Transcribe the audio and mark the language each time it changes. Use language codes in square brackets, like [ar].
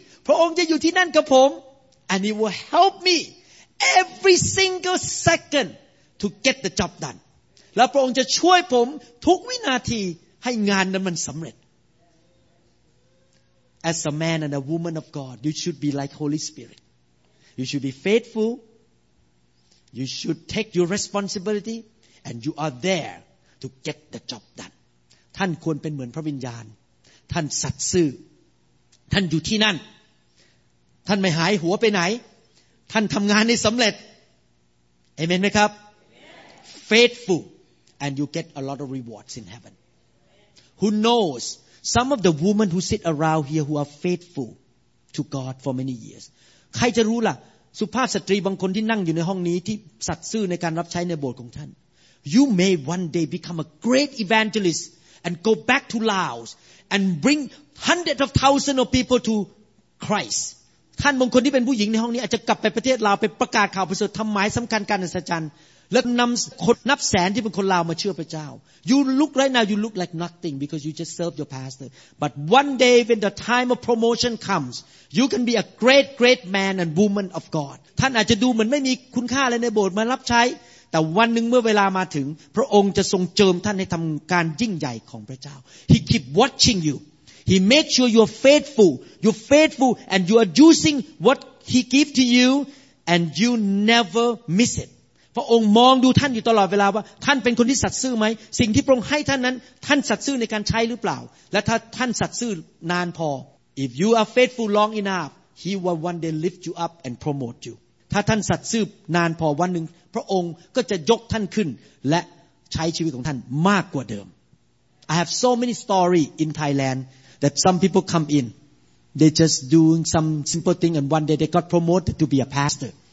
[th] พระองค์จะอยู่ที่นั่นกับผม [en] and He will help me every single second to get the job done. [th] และพระองค์จะช่วยผมทุกวินาทีให้งานนั้นมันสำเร็จ [en] As a man and a woman of God, you should be like Holy Spirit. You should be faithful. You should take your responsibility, and you are there to get the job done. [th] ท่านควรเป็นเหมือนพระวิญญาณท่านสัตย์ซื่อท่านอยู่ที่นั่นท่านไม่หายหัวไปไหนท่านทำงานให้สำเร็จเอเมนไหมครับ [en] Faithful, and you get a lot of rewards in heaven. Who knows? Some of the women who sit around here who are faithful to God for many years. [th] ใครจะรู้ล่ะสุภาพสตรีบางคนที่นั่งอยู่ในห้องนี้ที่สัตย์ซื่อในการรับใช้ในโบสถ์ของท่าน [en] You may one day become a great evangelist and go back to Laos and bring hundreds of thousands of people to Christ [th] ท่านบางคนที่เป็นผู้หญิงในห้องนี้อาจจะกลับไปประเทศลาวไปประกาศข่าวประเสริฐทำหมายสำคัญการอัศจรรย์และนำคนนับแสนที่เป็นคนลาวมาเชื่อพระเจ้า [en] You look right now you look like nothing because you just serve your pastor but one day when the time of promotion comesYou can be a great, great man and woman of God. [th] ท่านอาจจะดูเหมือนไม่มีคุณค่าอะไรในโบสถ์มารับใช้แต่วันหนึ่งเมื่อเวลามาถึงพระองค์จะทรงเจิมท่านให้ทำการยิ่งใหญ่ของพระเจ้า [en] He keep watching you. He make sure you're faithful and you are using what He give to you and you never miss it. [th] พระองค์มองดูท่านอยู่ตลอดเวลาว่าท่านเป็นคนที่สัตย์ซื่อไหมสิ่งที่พระองค์ให้ท่านนั้นท่านสัตย์ซื่อในการใช้หรือเปล่าและถ้าท่านสัตย์ซื่อนานพอ [en] If you are faithful long enough, He will one day lift you up and promote you. [th] ถ้าท่านสัตย์ซื่อนานพอวันหนึ่งพระองค์ก็จะยกท่านขึ้นและใช้ชีวิตของท่านมากกว่าเดิม [en] I have so many stories in Thailand that some people come in, they just doing some simple thing and one day they got promoted to be a pastor.